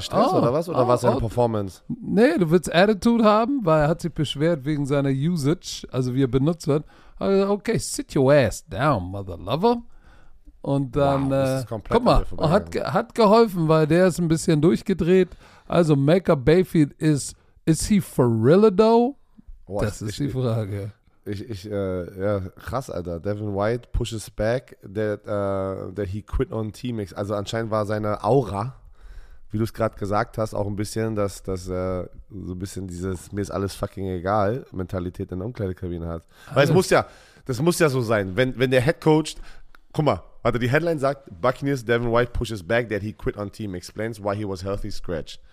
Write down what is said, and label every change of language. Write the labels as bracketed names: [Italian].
[German] Stress oh, oder was? Oder oh, war es eine oh, Performance? Nee, du willst Attitude haben, weil er hat sich beschwert wegen seiner Usage, also wie er benutzt wird. Also, okay, [English] sit your ass down, mother lover. [German] Und dann, guck mal, hat geholfen, weil der ist ein bisschen durchgedreht. [English] Also, Baker Mayfield is he for real though? [German] Oh, das ist die Frage. Ja, krass, Alter. [English] Devin White pushes back that he quit on T-Mix. [German] Also anscheinend war seine Aura, wie du es gerade gesagt hast, auch ein bisschen, dass so ein bisschen dieses mir ist alles fucking egal Mentalität in der Umkleidekabine hat. Alles. Weil das muss ja so sein. Wenn der Head Coach, guck mal, warte, die Headline sagt, [English] Buccaneers Devin White pushes back that he quit on team, explains why he was healthy scratch.